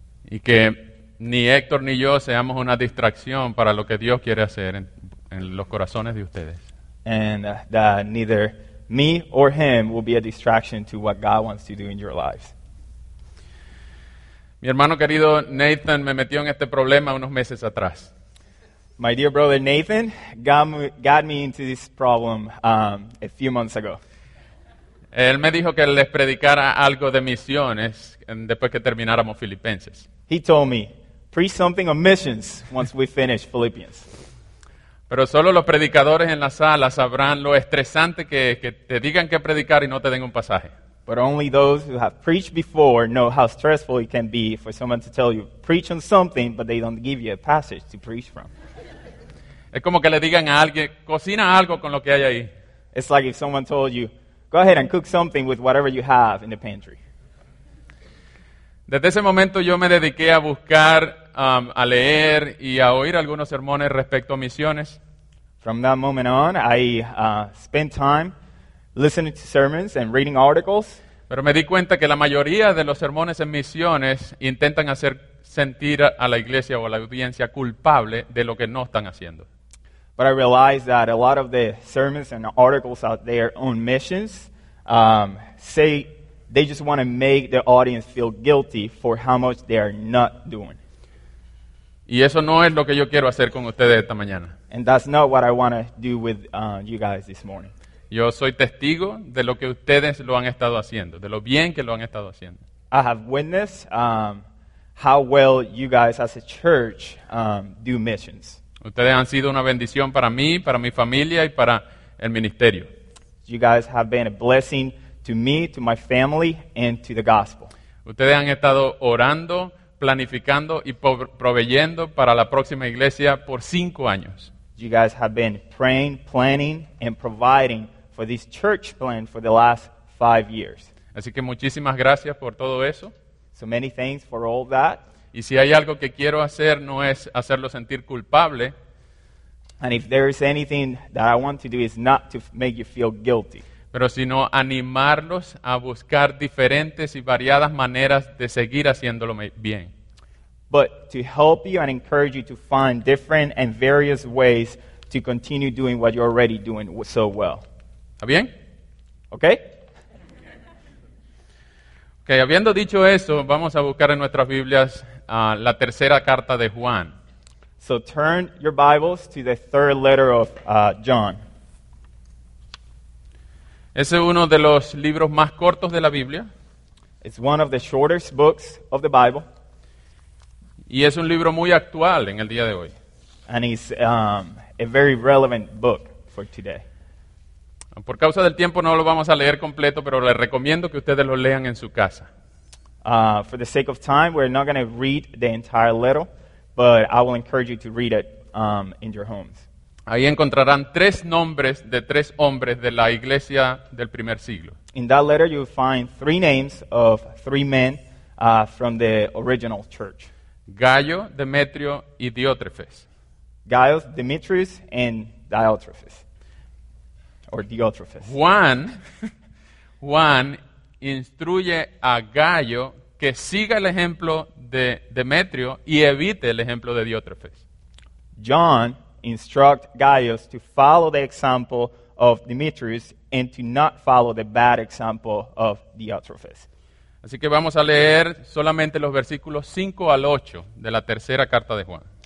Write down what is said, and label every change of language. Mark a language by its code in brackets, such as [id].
[es] Y que ni Héctor ni yo seamos una distracción para lo que Dios quiere hacer en los corazones de ustedes. [en] And that neither me or him will be a distraction to what God wants to do in your lives. [es] Mi hermano querido Nathan me metió en este problema unos meses atrás. [en] My dear brother Nathan got me into this problem a few months ago. [es] Él me dijo que les predicara algo de misiones después que termináramos Filipenses. [en] He told me, preach something on missions once we finish Philippians. [es] Pero solo los predicadores en la sala sabrán lo estresante que te digan que predicar y no te den un pasaje. [en] But only those who have preached before know how stressful it can be for someone to tell you, preach on something, but they don't give you a passage to preach from. [es] Es como que le digan a alguien, cocina algo con lo que hay ahí. [en] It's like if someone told you, go ahead and cook something with whatever you have in the pantry. [es] Desde ese momento yo me dediqué a buscar, a leer y a oír algunos sermones respecto a misiones. [en] From that moment on, I spent time listening to sermons and reading articles. [es] Pero me di cuenta que la mayoría de los sermones en misiones intentan hacer sentir a la iglesia o a la audiencia culpable de lo que no están haciendo. [en] But I realized that a lot of the sermons and articles out there on missions say they just want to make the audience feel guilty for how much they are not doing. [es] Y eso no es lo que yo quiero hacer con ustedes esta mañana. [en] And that's not what I want to do with you guys this morning. [es] Yo soy testigo de lo que ustedes lo han estado haciendo, de lo bien que lo han estado haciendo. [en] I have witnessed how well you guys as a church do missions. [es] Ustedes han sido una bendición para mí, para mi familia y para el ministerio. [en] You guys have been a blessing to me, to my family, and to the gospel. [es] Ustedes han estado orando, planificando y proveyendo para la próxima iglesia por 5 años. [en] You guys have been praying, planning, and providing for this church plan for the last 5 years. [es] Así que muchísimas gracias por todo eso. [en] So many thanks for all that. [es] Y si hay algo que quiero hacer, no es hacerlo sentir culpable. [en] And if there is anything that I want to do, is not to make you feel guilty. [es] Pero sino animarlos a buscar diferentes y variadas maneras de seguir haciéndolo bien. [en] But to help you and encourage you to find different and various ways to continue doing what you're already doing so well. [es] ¿Está bien? [en] Okay. [es] Okay, habiendo dicho eso, vamos a buscar en nuestras Biblias la tercera carta de Juan. [en] So turn your Bibles to the third letter of John. [es] Ese es uno de los libros más cortos de la Biblia. [en] It's one of the shortest books of the Bible. [es] Y es un libro muy actual en el día de hoy. [en] And it's a very relevant book for today. [es] Por causa del tiempo no lo vamos a leer completo, pero les recomiendo que ustedes lo lean en su casa. [en] For the sake of time, we're not going to read the entire letter, but I will encourage you to read it in your homes. [es] Ahí encontrarán 3 nombres de 3 hombres de la iglesia del primer siglo. [en] In that letter, you'll find 3 names of 3 men from the original church. [es] Gallo, Demetrio, y Diótrefes. [en] Gaius, Demetrius, and Diótrefes. Or Diótrefes. [es] Juan instruye a Gallo que siga el ejemplo de Demetrio y evite el ejemplo de Diótrefes. [en] John instructs Gaius to follow the example of Demetrius and to not follow the bad example of Diotrephes. [es] Así que vamos a leer solamente los versículos 5 al 8 de la tercera carta de Juan.